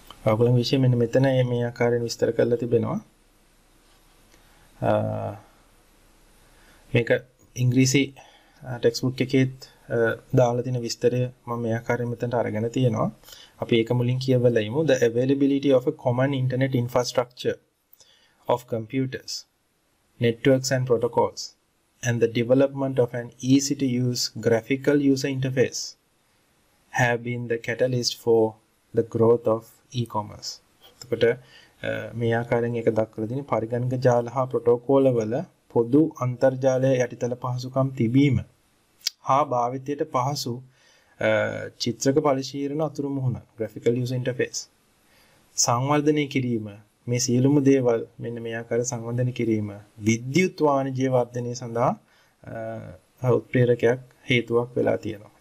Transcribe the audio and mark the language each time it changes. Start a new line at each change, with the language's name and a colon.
Sinhala: ඔයගොල්ලන්ගේ විෂයේ මෙන්න මෙතන මේ ආකාරයෙන් විස්තර කරලා තිබෙනවා. මේක ඉංග්‍රීසි ටෙක්ස්ට් බුක් එකේත් දාලා තියෙන විස්තරය මම මේ ආකාරයෙන් මෙතනට අරගෙන තියෙනවා. අපි ඒක මුලින් කියවලා ඉමු.
English: The availability of a common internet infrastructure of computers, networks and protocols, and the development of an easy to use graphical user interface have been the catalyst for the growth of e-commerce.
Sinhala: එතකොට මේ ආකාරයෙන් එක දක්වලා තියෙන පරිගණක ජාල හා ප්‍රෝටෝකෝල වල පොදු අන්තර්ජාලය යටිතල පහසුකම් තිබීම හා භාවිතයට පහසු චිත්‍රක පරිශීලන අතුරු මුහුණ graphical user interface සංවර්ධනය කිරීම, මේ සියලුම දේවල් මෙන්න මේ ආකාරයෙන් සංවර්ධනය කිරීම විද්‍යුත් වාණිජය වර්ධනය සඳහා උත්ප්‍රේරකයක් හේතුවක් වෙලා තියෙනවා.